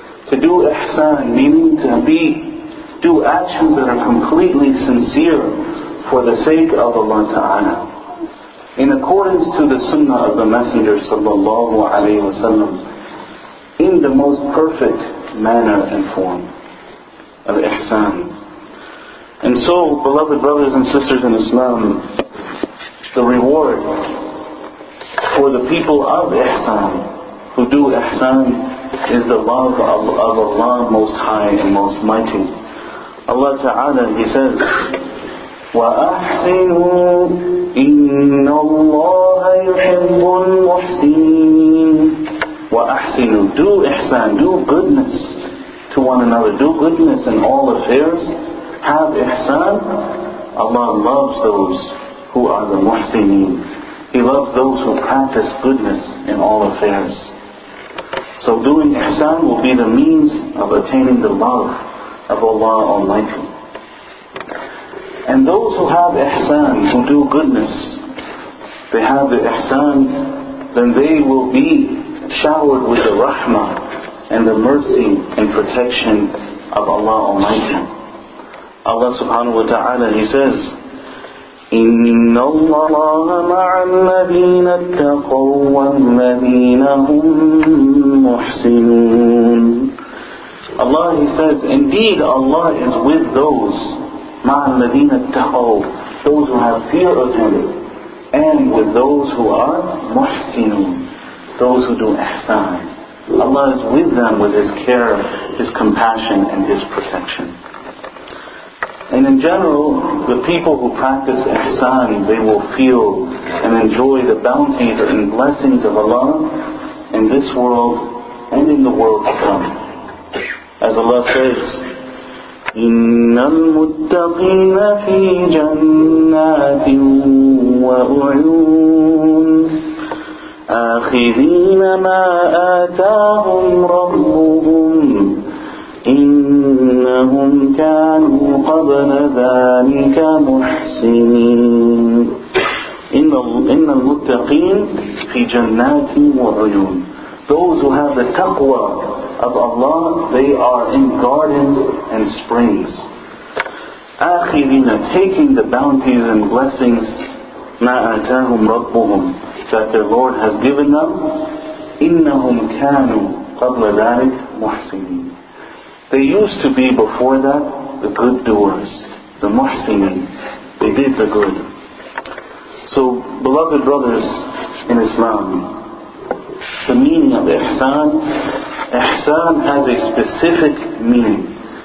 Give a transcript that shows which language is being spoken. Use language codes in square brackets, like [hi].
[en] To do ihsan, meaning to do actions that are completely sincere for the sake of Allah Ta'ala, in accordance to the sunnah of the Messenger sallallahu alayhi wa sallam, in the most perfect manner and form of ihsan. And so, beloved brothers and sisters in Islam, the reward for the people of ihsan, who do ihsan, is the love of Allah Most High and Most Mighty. Allah Ta'ala, He says, [ar] وَأَحْسِنُوا إِنَّ اللَّهَ يُحِبُّ الْمُحْسِنِينَ. [en] وَأَحْسِنُوا, do ihsan, do goodness to one another, do goodness in all affairs, have ihsan. Allah loves those who are the muhsineen. He loves those who practice goodness in all affairs. So doing ihsan will be the means of attaining the love of Allah Almighty. And those who have ihsan, who do goodness, they have the ihsan, then they will be showered with the rahmah and the mercy and protection of Allah Almighty. Allah subhanahu wa ta'ala, He says, [ar] إِنَّ اللَّهَ مَعَ الَّذِينَ اتَّقَوْا وَالَّذِينَ هُمْ مُحْسِنُونَ. [en] Allah, He says, indeed Allah is with those, [ar] مَعَ الَّذِينَ اتَّقَوْا, [en] those who have fear of Him, and with those who are مُحْسِنُونَ, those who do ihsan. Allah is with them with His care, His compassion, and His protection. And in general, the people who practice ihsan, they will feel and enjoy the bounties and blessings of Allah in this world and in the world to come. As Allah says, [ar] إِنَّ الْمُتَّقِينَ فِي جَنَّاتٍ وَأُعُونَ. آخذين ما آتاهم ربهم إنهم كانوا قبل ذلك محسنين. إن المتقين في جنات وعيون. [en] Those who have the taqwa of Allah, they are in gardens and springs. آخذين, taking the bounties and blessings, [ar] ما آتاهم ربهم, [en] that their Lord has given them. [ar] إنهم كانوا قبل ذلك محسنين. [en] They used to be before that the good doers, the muhsinin. They did the good. So, beloved brothers in Islam, the meaning of ihsan, ihsan has a specific meaning.